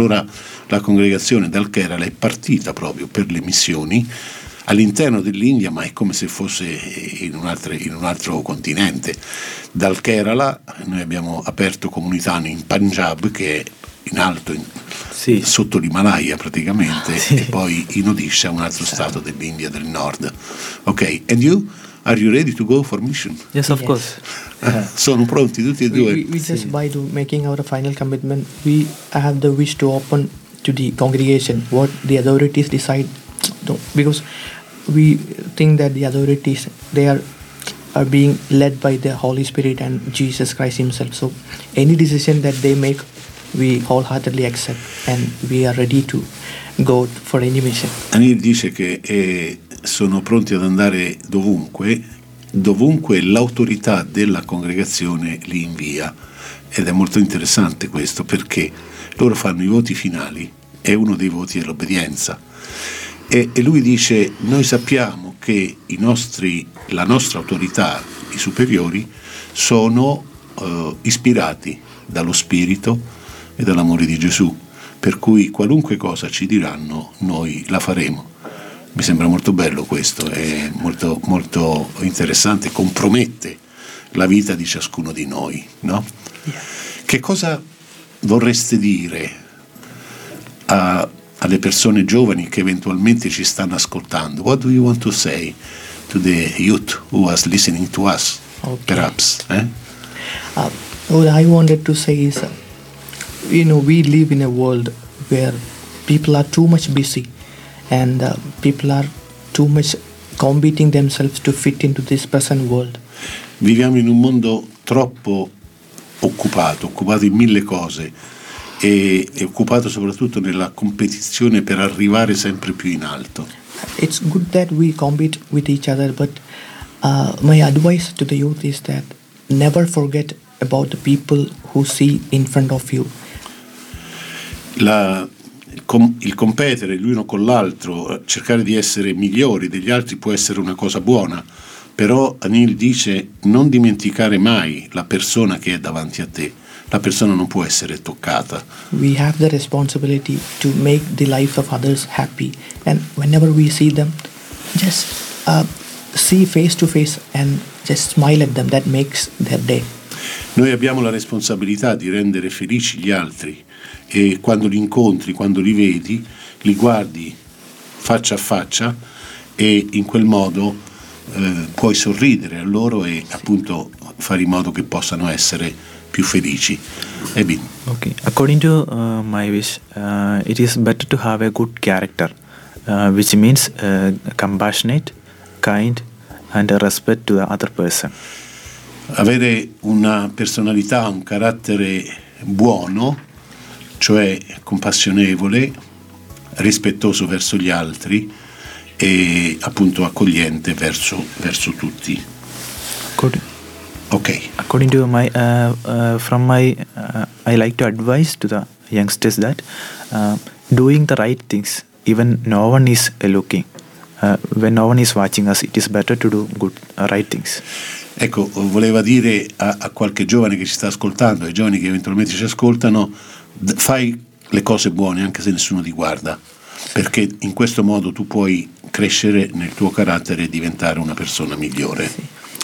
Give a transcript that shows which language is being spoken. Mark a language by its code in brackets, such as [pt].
[it] Allora la congregazione dal Kerala è partita proprio per le missioni all'interno dell'India, ma è come se fosse in un altro continente. Dal Kerala noi abbiamo aperto comunità in Punjab, che è in alto, sì, sotto l'Himalaya praticamente, sì. E poi in Odisha, un altro stato dell'India del nord. [en] Ok, and you? Are you ready to go for mission? Yes, of course. [it] Sono pronti tutti e due? [en] We just by making our final commitment, we have the wish to open to the congregation what the authorities decide. Because we think that the authorities, they are being led by the Holy Spirit and Jesus Christ himself. So any decision that they make, we wholeheartedly accept and we are ready to go for any mission. [it] Anil dice che sono pronti ad andare dovunque l'autorità della congregazione li invia. Ed è molto interessante questo, perché loro fanno i voti finali e uno dei voti è l'obbedienza. E lui dice: noi sappiamo che la nostra autorità, i superiori, sono ispirati dallo Spirito e dall'amore di Gesù, per cui qualunque cosa ci diranno, noi la faremo. Mi sembra molto bello questo, è molto, molto interessante, compromette la vita di ciascuno di noi, no? Che cosa vorreste dire alle persone giovani che eventualmente ci stanno ascoltando? [en] What do you want to say to the youth who are listening to us, perhaps? What I wanted to say is, you know, we live in a world where people are too much busy and people are too much competing themselves to fit into this present world. [it] Viviamo in un mondo troppo occupato in mille cose, e è occupato soprattutto nella competizione per arrivare sempre più in alto. [en] It's good that we compete with each other, but my advice to the youth is that never forget about the people who see in front of you. [it] Il competere l'uno con l'altro, cercare di essere migliori degli altri, può essere una cosa buona, però Anil dice: non dimenticare mai la persona che è davanti a te. La persona non può essere toccata. [en] We have the responsibility to make the life of others happy, and whenever we see them, just see face to face and just smile at them. That makes their day. [it] Noi abbiamo la responsabilità di rendere felici gli altri, e quando li incontri, quando li vedi, li guardi faccia a faccia, e in quel modo puoi sorridere a loro e appunto fare in modo che possano essere più felici. Ebin. [en] Okay. According to my wish, it is better to have a good character, which means compassionate, kind, and respect to the other person. [it] Avere una personalità, un carattere buono, cioè compassionevole, rispettoso verso gli altri e appunto accogliente verso tutti. [en] Okay. According to my from my I like to advise to the youngsters that doing the right things even no one is looking, when no one is watching us, it is better to do good right things. [it] Ecco, voleva dire a qualche giovane che ci sta ascoltando, ai giovani che eventualmente ci ascoltano: fai le cose buone anche se nessuno ti guarda, perché in questo modo tu puoi crescere nel tuo carattere e diventare una persona migliore.